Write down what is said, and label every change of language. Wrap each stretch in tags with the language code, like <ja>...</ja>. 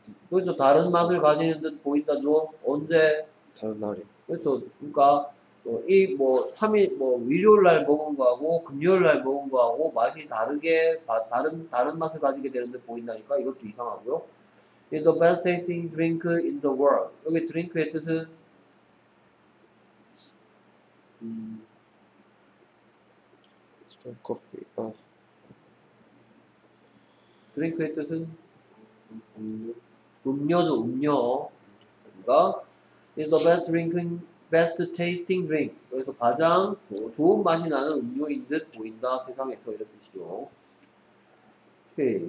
<ko>그렇죠. 다른 맛을 가지는 듯 보인다죠. 언제? 다른 날이. 그렇죠. 그러니까 이 뭐 3일 뭐 일요일 날 먹은 거하고 금요일 날 먹은 거하고 맛이 다르게 다른 맛을 가지게 되는 듯 보인다니까 이것도 이상하고요.</ko> <en>It's the best tasting drink in the world.</en> <ko>여기 drink의 뜻은 커피. 아. drink의 뜻은 음료죠. 음료. 그러니까</ko> <en>It's the best drinking, best tasting drink.</en> <ko>여기서 가장 좋은 맛이 나는 음료인 듯 보인다. 세상에서 이런 뜻이죠. 오케이.</ko>